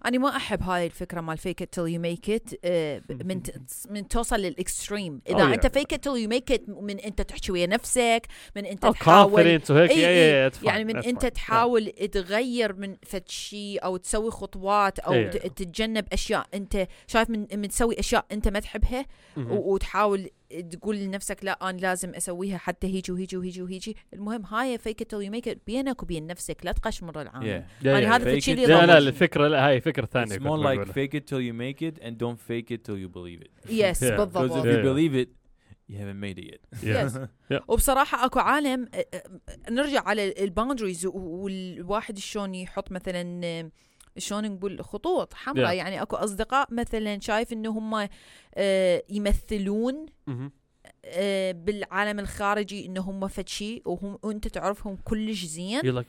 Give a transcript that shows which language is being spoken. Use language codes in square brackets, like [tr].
[ar] انا ما احب هذه الفكره مال فيك ات تيل يو ميك ات من توصل للاكستريم اذا انت فيك ات تيل يو ميك ات من انت تحكي ويا نفسك من انت تحاول يعني من انت تحاول تغير من فد شيء او تسوي خطوات او تتجنب اشياء انت شايف من تسوي اشياء انت ما تحبها وتحاول تقول لنفسك لا أنا لازم أسويها حتى هيجي وهيجي وهيجي وهيجي. المهم هاي فيك إت تيل يو ميك إت بينك وبين نفسك لا تقش مرة العام. لا الفكرة لا هاي فكرة ثانية. [en] It's more like fake it till you make it and don't fake it till you believe it. [ar] Yes بالضبط. [en] Because if you believe it you haven't made it yet. Yes. [ar] وبصراحة أكو عالم نرجع على الباوندريز والواحد شلون يحط مثلا شلون نقول خطوط حمراء يعني أكو أصدقاء مثلا شايف إنه هم يمثلون بالعالم الخارجي إنه هم فتشي وهم أنت تعرفهم كلش زين